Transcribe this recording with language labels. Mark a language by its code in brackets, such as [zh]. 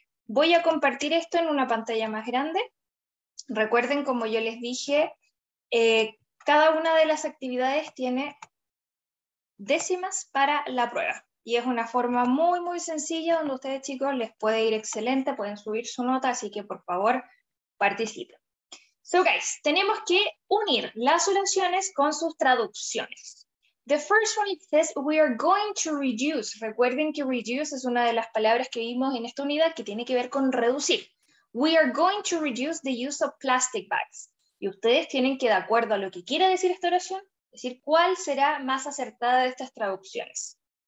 [es] Voy a compartir esto en una pantalla más grande. Recuerden, como yo les dije, cada una de las actividades tiene décimas para la prueba. Y es una forma muy, muy sencilla donde ustedes, chicos, les puede ir excelente, pueden subir su nota, así que por favor, participen. [en] So guys, [es] tenemos que unir las oraciones con sus traducciones. [en] The first one it says, we are going to reduce. [es] Recuerden que reduce es una de las palabras que vimos en esta unidad que tiene que ver con reducir. [en] We are going to reduce the use of plastic bags. [es] Y ustedes tienen que, de acuerdo a lo que quiere decir esta oración, decir cuál será más acertada de estas traducciones.